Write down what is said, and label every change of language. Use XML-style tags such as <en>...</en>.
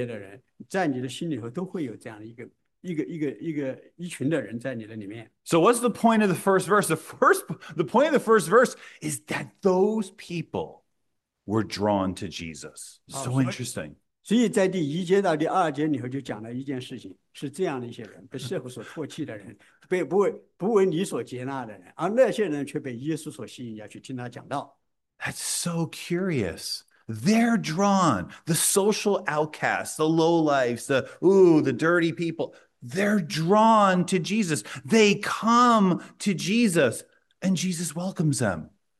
<zh>事实上，如果你扪心自问的话，你会发现在你的头脑之中，其实也有这样的一群人群。你认为他们不够好，你不想让你的孩子和他们在一起。你想到他们的时候，就觉得我要和他们远一点。不管你是共和党、民主党人，或者是独立人士，不管你是什么样的一个类别的人，在你的心里头都会有这样的一个。</zh> <en>So the point of the first verse is that those people were drawn to Jesus. So interesting.</en> <zh>所以在第一节到第二节里头就讲了一件事情，是这样的一些人被社会所唾弃的人，被不为你所接纳的人，而那些人却被耶稣所吸引，要去听他讲道。</zh> <en>That's so curious. They're drawn, the social outcasts, the lowlifes, the dirty people. They're drawn to Jesus. They come to Jesus, and Jesus welcomes them.</en>